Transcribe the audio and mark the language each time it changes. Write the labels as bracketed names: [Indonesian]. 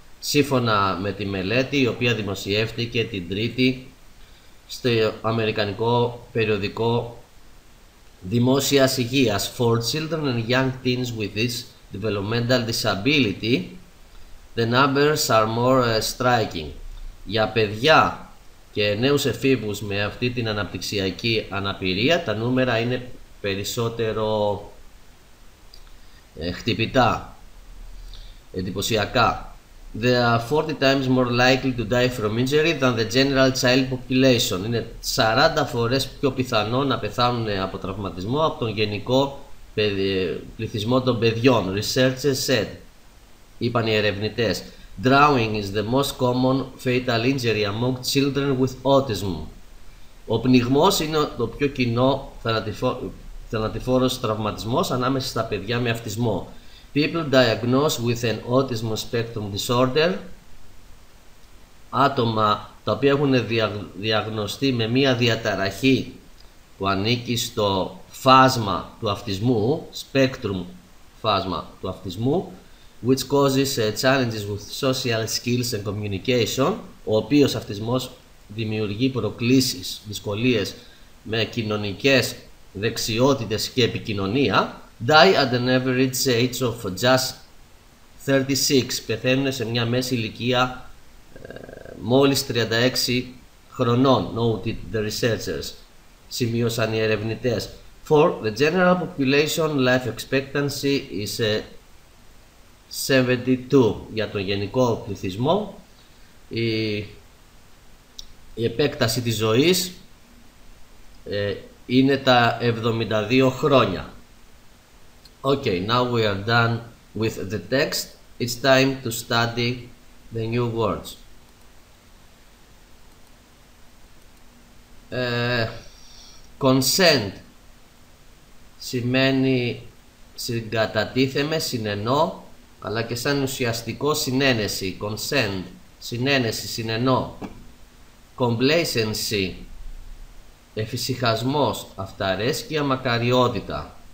[Greek] Σύμφωνα με τη μελέτη η οποία δημοσιεύτηκε την Τρίτη στο αμερικανικό περιοδικό δημόσιας υγείας. [English] For children and young teens with this developmental disability, the numbers are more striking. [Greek] Για παιδιά και νέους εφήβους με αυτή την αναπτυξιακή αναπηρία, τα νούμερα είναι περισσότερο χτυπητά, εντυπωσιακά. [English] They are 40 times more likely to die from injury than the general child population. [Greek] Είναι 40 φορές πιο πιθανό να πεθάνουν από τραυματισμό από τον γενικό πληθυσμό των παιδιών. [English] Researchers said, [Greek] είπαν οι ερευνητές. [English] Drowning is the most common fatal injury among children with autism. [Greek] Ο πνιγμός είναι το πιο κοινό θανατηφόρος τραυματισμός ανάμεσα στα παιδιά με αυτισμό. [English] People diagnosed with an autism spectrum disorder, [Greek] άτομα τα οποία έχουν διαγνωστεί με μία διαταραχή που ανήκει στο φάσμα του αυτισμού, spectrum φάσμα του αυτισμού, [English] which causes challenges with social skills and communication, [Greek] ο οποίος αυτισμός δημιουργεί προκλήσεις, δυσκολίες με κοινωνικές δεξιότητες και επικοινωνία, [English] die at an average age of just [Greek] 36, πεθαίνουν σε μια μέση ηλικία μόλις 36 χρονών, [English] noted the researchers, [Greek] σημείωσαν οι ερευνητές. [English] For the general population, life expectancy is 72. [Greek] Για τον γενικό πληθυσμό, η επέκταση της ζωής είναι τα 72 χρόνια. [English] Okay, now we are done with the text. It's time to study the new words. [Greek] Consent σημαίνει συγκατατίθεμαι, συνενώ, αλλά και σαν ουσιαστικό συνένεση. Consent, συνένεση, συνενώ. Complacency, εφησυχασμός, αυταρέσκεια, μακαριότητα.